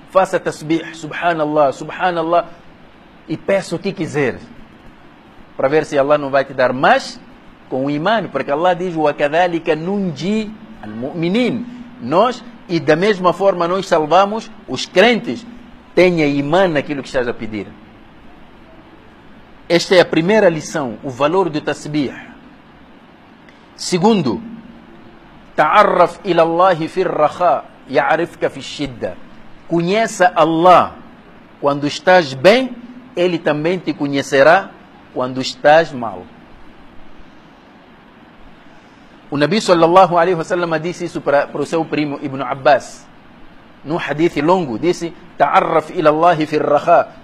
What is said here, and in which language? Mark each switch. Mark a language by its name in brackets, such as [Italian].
[Portuguese] Faça tasbih, subhanallah, subhanallah. E peça o que quiser, para ver se Allah não vai te dar mais com o imã. Porque Allah diz: [Arabic] وَكَذَلِكَ نُنْجِي الْمُؤْمِنِينَ. [Portuguese] Nós, e da mesma forma, nós salvamos os crentes. Tenha imã naquilo que estás a pedir. Esta é a primeira lição, o valor do tasbih. Segundo, [Arabic] تَعَرَّفْ إِلَى اللَّهِ فِي الرَّخَاءِ يَعْرِفْكَ فِي الشِّدَّةِ. [Portuguese] Conheça Allah quando estás bem. Ele também te conhecerá quando estás mal. O Nabi sallallahu alaihi wasallam disse isso para o seu primo Ibn Abbas. Num hadith longo, disse: [Arabic] Ta'arraf ila Allah fi ar-rakha.